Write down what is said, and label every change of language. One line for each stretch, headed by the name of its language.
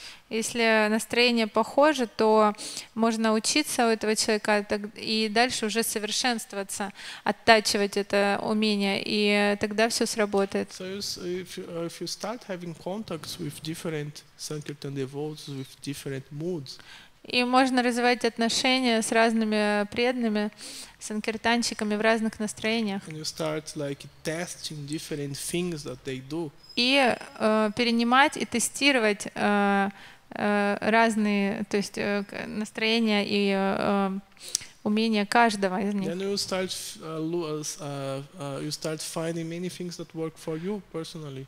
Russian: Если настроение похоже, то можно учиться у этого человека и дальше уже совершенствоваться, оттачивать это умение, и тогда все сработает.
English: So if you start having contacts with different sankirtan devotees with different moods.
Russian: И можно развивать отношения с разными преданными, с санкиртанщиками в разных настроениях.
English: And you start, like, testing different things that they do.
Russian: И перенимать и тестировать разные, то есть настроения и умения каждого из них.
English: Then you start, you start finding many things that work for you personally.